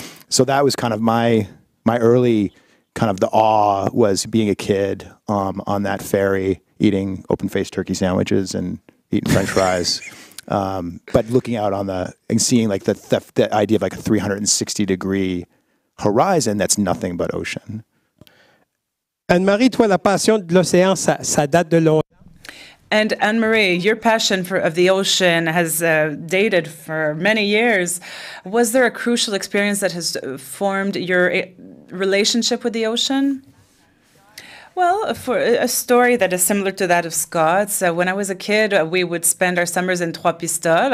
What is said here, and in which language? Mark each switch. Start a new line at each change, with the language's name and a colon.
English: So that was kind of my early kind of the awe was being a kid on that ferry, eating open-faced turkey sandwiches and eating French fries. But looking out on the and seeing like the idea of like a 360 degree horizon that's nothing but ocean.
French: Anne-Marie, toi, la passion de l'océan, ça date de longtemps.
English: And Anne-Marie, your passion for the ocean has dated for many years. Was there a crucial experience that has formed your relationship with the ocean? Well, for a story that is similar to that of Scott's, when I was a kid, we would spend our summers in Trois Pistoles.